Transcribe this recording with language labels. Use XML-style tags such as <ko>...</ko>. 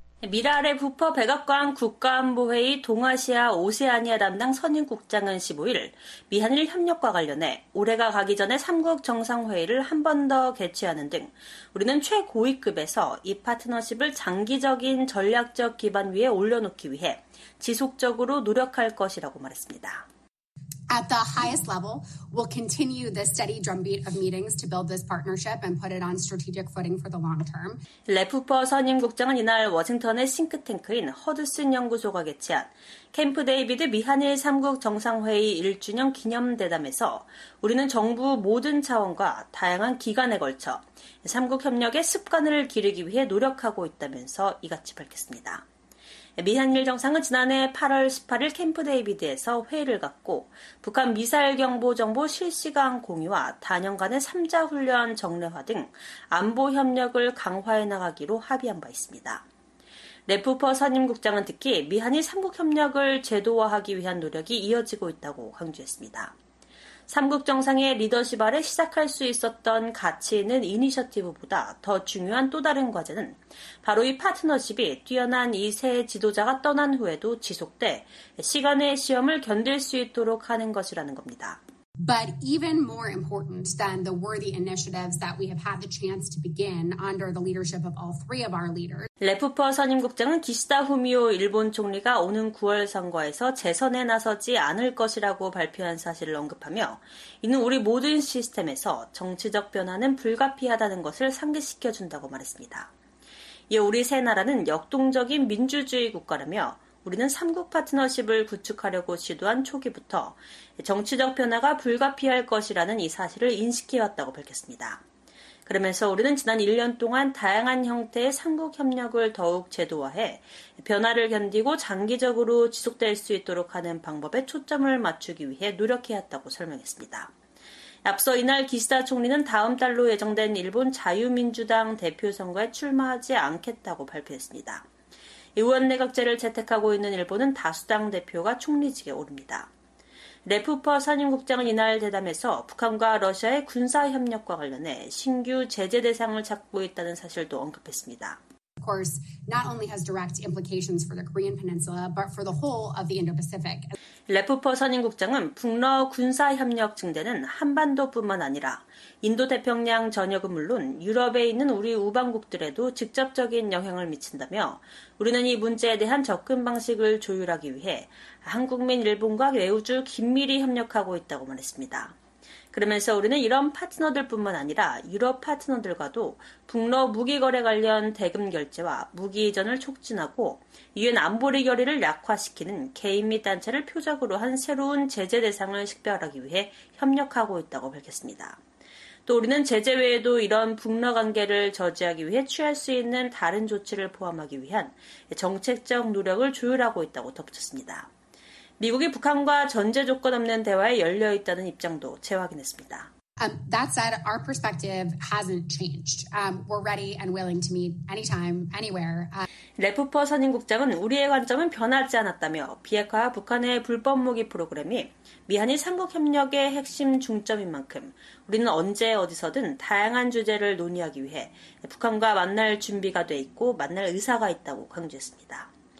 <ko>미랄의 부퍼 백악관 국가안보회의 동아시아 오세아니아 담당 선임국장은 15일 미한일 협력과 관련해 올해가 가기 전에 3국 정상회의를 한 번 더 개최하는 등 우리는 최고위급에서 이 파트너십을 장기적인 전략적 기반 위에 올려놓기 위해 지속적으로 노력할 것이라고 말했습니다.</ko> <en>At the highest level, we'll continue the steady drumbeat of meetings to build this partnership and put it on strategic footing for the long term.</en> <ko>레프퍼 선임 국장은 이날 워싱턴의 싱크탱크인 허드슨 연구소가 개최한 캠프 데이비드 미한일 3국 정상회의 1주년 기념 대담에서 우리는 정부 모든 차원과 다양한 기관에 걸쳐 3국 협력의 습관을 기르기 위해 노력하고 있다면서 이같이 밝혔습니다. 미한일 정상은 지난해 8월 18일 캠프 데이비드에서 회의를 갖고 북한 미사일 경보 정보 실시간 공유와 단연간의 3자 훈련 정례화 등 안보 협력을 강화해 나가기로 합의한 바 있습니다. 레프퍼 선임 국장은 특히 미한일 3국 협력을 제도화하기 위한 노력이 이어지고 있다고 강조했습니다. 3국 정상의 리더십 아래 시작할 수 있었던 가치 있는 이니셔티브보다 더 중요한 또 다른 과제는 바로 이 파트너십이 뛰어난 이 세 지도자가 떠난 후에도 지속돼 시간의 시험을 견딜 수 있도록 하는 것이라는 겁니다.</ko> <en>But even more important than the worthy initiatives that we have had the chance to begin under the leadership of all three of our leaders.</en> <ko>레프퍼 선임 국장은 기시다 후미오 일본 총리가 오는 9월 선거에서 재선에 나서지 않을 것이라고 발표한 사실을 언급하며 이는 우리 모든 시스템에서 정치적 변화는 불가피하다는 것을 상기시켜준다고 말했습니다. 이 우리 세 나라는 역동적인 민주주의 국가라며 우리는 3국 파트너십을 구축하려고 시도한 초기부터 정치적 변화가 불가피할 것이라는 이 사실을 인식해왔다고 밝혔습니다. 그러면서 우리는 지난 1년 동안 다양한 형태의 3국 협력을 더욱 제도화해 변화를 견디고 장기적으로 지속될 수 있도록 하는 방법에 초점을 맞추기 위해 노력해왔다고 설명했습니다. 앞서 이날 기시다 총리는 다음 달로 예정된 일본 자유민주당 대표선거에 출마하지 않겠다고 발표했습니다. 의원내각제를 채택하고 있는 일본은 다수당 대표가 총리직에 오릅니다. 레프퍼 선임국장은 이날 대담에서 북한과 러시아의 군사협력과 관련해 신규 제재 대상을 찾고 있다는 사실도 언급했습니다.</ko> <en>Of course, not only has direct implications for the Korean Peninsula, but for the whole of the Indo-Pacific.</en> <ko>레프퍼 선임국장은 북러 군사협력 증대는 한반도뿐만 아니라 인도태평양 전역은 물론 유럽에 있는 우리 우방국들에도 직접적인 영향을 미친다며 우리는 이 문제에 대한 접근 방식을 조율하기 위해 한국 및 일본과 매우 긴밀히 협력하고 있다고 말했습니다. 그러면서 우리는 이런 파트너들뿐만 아니라 유럽 파트너들과도 북러 무기 거래 관련 대금 결제와 무기 이전을 촉진하고 유엔 안보리 결의를 약화시키는 개인 및 단체를 표적으로 한 새로운 제재 대상을 식별하기 위해 협력하고 있다고 밝혔습니다. 또 우리는 제재 외에도 이런 북러 관계를 저지하기 위해 취할 수 있는 다른 조치를 포함하기 위한 정책적 노력을 조율하고 있다고 덧붙였습니다. 미국이 북한과 전제 조건 없는 대화에 열려 있다는 입장도 재확인했습니다.</ko> <en>That said, our perspective hasn't changed. We're ready and willing to meet anytime, anywhere.</en> <ko>레프퍼 선임 국장은 우리의 관점은 변하지 않았다며 비핵화와 북한의 불법 무기 프로그램이 미한일 3국 협력의 핵심 중점인 만큼 우리는 언제 어디서든 다양한 주제를 논의하기 위해 북한과 만날 준비가 돼 있고 만날 의사가 있다고 강조했습니다.</ko>